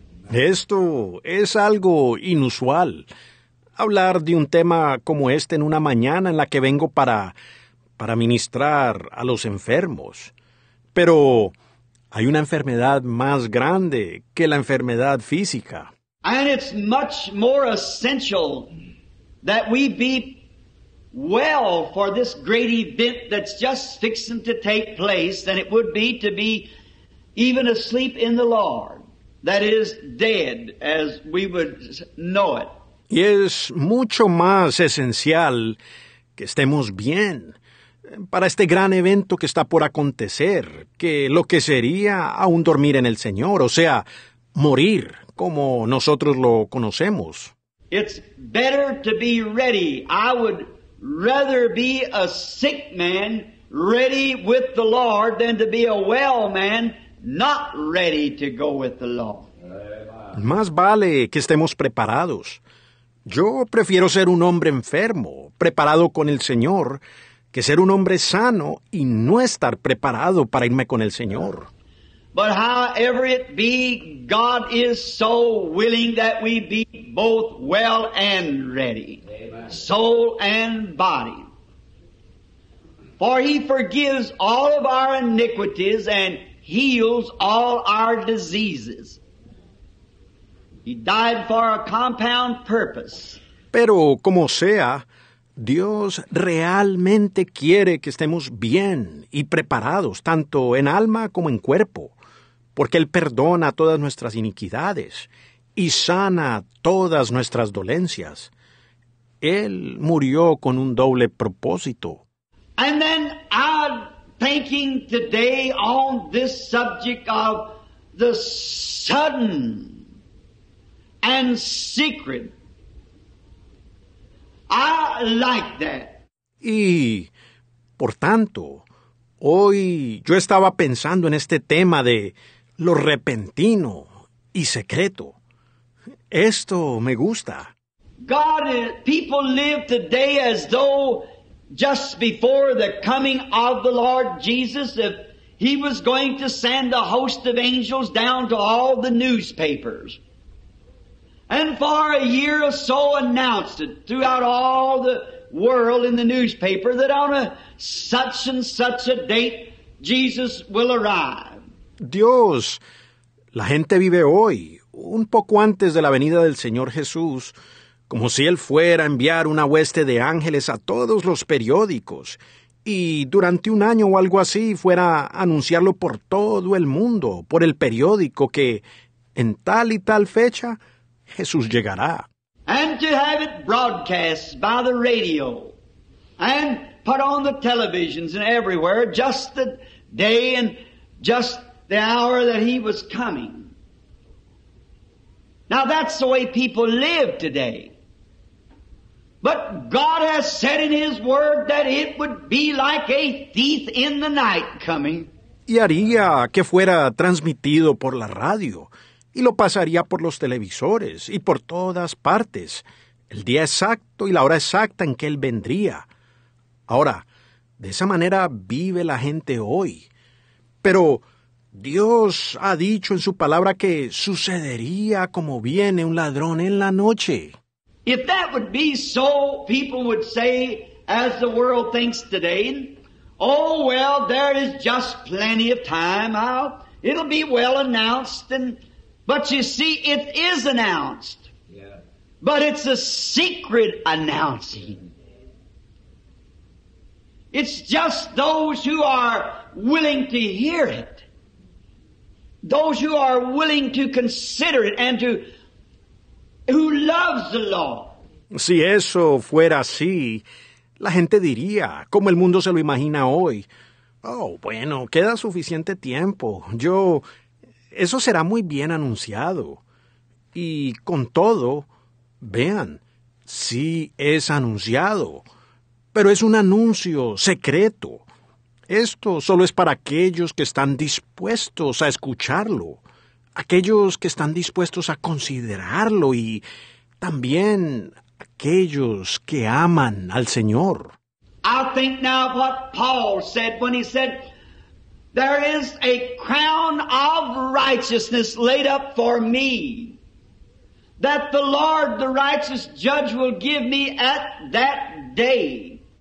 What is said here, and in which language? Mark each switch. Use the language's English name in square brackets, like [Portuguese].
[Spanish] Esto es algo inusual. Hablar de un tema como este en una mañana en la que vengo para ministrar a los enfermos. Pero hay una enfermedad más grande que la enfermedad física. [English] And it's much more essential that we be well for this great event that's just fixing to take place than it would be to be even asleep in the Lord, that is, dead as we would know it. [Spanish] Y es mucho más esencial que estemos bien para este gran evento que está por acontecer que lo que sería aún dormir en el Señor, o sea, morir como nosotros lo conocemos. [English] It's better to be ready. I would rather be a sick man ready with the Lord than to be a well man not ready to go with the Lord. [Spanish] Más vale que estemos preparados. Yo prefiero ser un hombre enfermo, preparado con el Señor, que ser un hombre sano y no estar preparado para irme con el Señor. [English] But however it be, God is so willing that we be both well and ready, soul and body. For he forgives all of our iniquities and heals all our diseases. He died for a compound purpose. [Spanish] Pero como sea, Dios realmente quiere que estemos bien y preparados, tanto en alma como en cuerpo, porque Él perdona todas nuestras iniquidades y sana todas nuestras dolencias. Él murió con un doble propósito. [English] And then I'm thinking today on this subject of the sudden and secret. I like that. [Spanish] Y, por tanto, hoy yo estaba pensando en este tema de lo repentino y secreto. Esto me gusta. [English] God, people live today as though just before the coming of the Lord Jesus, if he was going to send a host of angels down to all the newspapers. And for a year or so announced it throughout all the world in the newspaper that on a such and such a date, Jesus will arrive. [Spanish] Dios, la gente vive hoy, un poco antes de la venida del Señor Jesús, como si Él fuera a enviar una hueste de ángeles a todos los periódicos y durante un año o algo así fuera a anunciarlo por todo el mundo, por el periódico, que en tal y tal fecha Jesús llegará. [English] And to have it broadcast by the radio and put on the televisions and everywhere just the day and just the hour that he was coming. Now that's the way people live today. But God has said in his word that it would be like a thief in the night coming. [Spanish] Y haría que fuera transmitido por la radio. Y lo pasaría por los televisores y por todas partes, el día exacto y la hora exacta en que Él vendría. Ahora, de esa manera vive la gente hoy. Pero Dios ha dicho en su palabra que sucedería como viene un ladrón en la noche. [English] If that would be so, people would say, as the world thinks today, oh, well, there is just plenty of time. It'll be well announced and... But you see, it is announced. Yeah. But it's a secret announcing. It's just those who are willing to hear it. Those who are willing to consider it and to who loves the Lord. [Spanish] Si eso fuera así, la gente diría, como el mundo se lo imagina hoy, oh, bueno, queda suficiente tiempo. Eso será muy bien anunciado. Y con todo, vean, sí es anunciado. Pero es un anuncio secreto. Esto solo es para aquellos que están dispuestos a escucharlo, aquellos que están dispuestos a considerarlo y también aquellos que aman al Señor. [English] I think now of what Paul said when he said, "There is a crown of righteousness laid up for me, that the Lord, the righteous judge, will give me at that day."